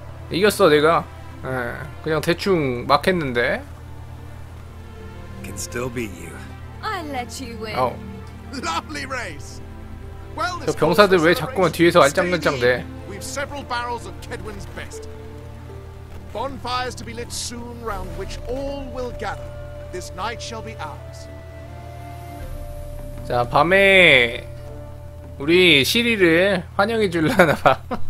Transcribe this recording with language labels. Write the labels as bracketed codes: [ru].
[ko] 이겼어 내가. 에, 그냥 대충 막 했는데. [en] Can still beat you. I let you win. Lovely race. [ko] Well, 저 병사들 왜 자꾸만 뒤에서 알짱달짱대? [en] We've several barrels of Kedwin's best. Bonfires to be lit soon round which all will gather. This night shall be ours. [ko] 자, 밤에 우리 시리를 환영해 줄라나 봐.